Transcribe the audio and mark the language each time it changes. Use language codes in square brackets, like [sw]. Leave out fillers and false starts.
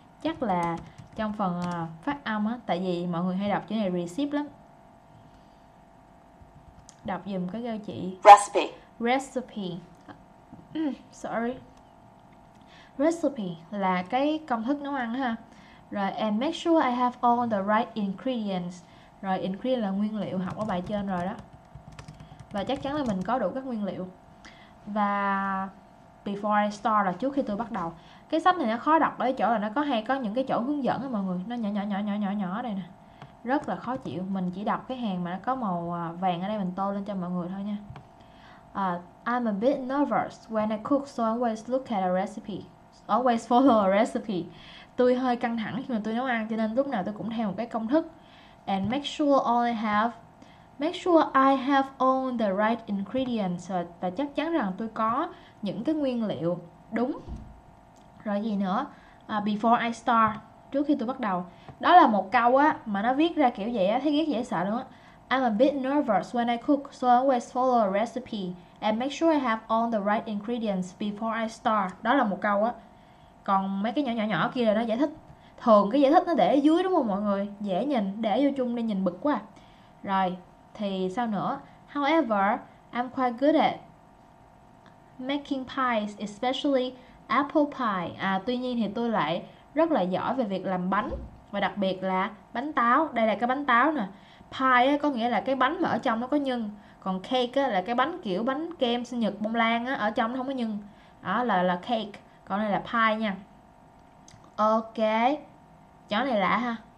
[vi] Chắc là trong phần phát âm á, tại vì mọi người hay đọc chữ này recipe lắm. Đọc giùm cái cho chị. [en] Recipe. Recipe. Sorry. [vi] Recipe là cái công thức nấu ăn ha. [en] Rồi, and make sure I have all the right ingredients. [vi] Rồi, ingredient là nguyên liệu, học ở bài trên rồi đó. Và chắc chắn là mình có đủ các nguyên liệu. Và [en] before I start [vi] là trước khi tôi bắt đầu. Cái sách này nó khó đọc ở chỗ là nó có hay có những cái chỗ hướng dẫn á mọi người. Nó nhỏ nhỏ nhỏ nhỏ nhỏ nhỏ đây nè. Rất là khó chịu. Mình chỉ đọc cái hàng mà nó có màu vàng ở đây mình tô lên cho mọi người thôi nha. [en] I'm a bit nervous when I cook, so I always look at a recipe. Always follow a recipe. [vi] Tôi hơi căng thẳng khi mà tôi nấu ăn cho nên lúc nào tôi cũng theo một cái công thức. [en] And make sure all I have. Make sure I have all the right ingredients. [vi] Và chắc chắn rằng tôi có những cái nguyên liệu đúng. Rồi gì nữa? [en] Before I start. [vi] Trước khi tôi bắt đầu. Đó là một câu á mà nó viết ra kiểu vậy á, thấy ghét dễ sợ luôn á. [en] I'm a bit nervous when I cook, so I always follow a recipe and make sure I have all the right ingredients before I start. [vi] Đó là một câu á. Còn mấy cái nhỏ nhỏ nhỏ kia là nó giải thích. Thường cái giải thích nó để ở dưới đúng không mọi người? Dễ nhìn, để vô chung nên nhìn bực quá. Rồi, thì sao nữa? [en] However, I'm quite good at making pies, especially apple pie. [vi] À, tuy nhiên thì tôi lại rất là giỏi về việc làm bánh. Và đặc biệt là bánh táo. Đây là cái bánh táo nè. Pie có nghĩa là cái bánh mà ở trong nó có nhân. Còn cake là cái bánh kiểu bánh kem sinh nhật bông lan á, ở trong nó không có nhân. Đó là cake. Còn đây là pie nha. Ok. Chỗ này lạ ha.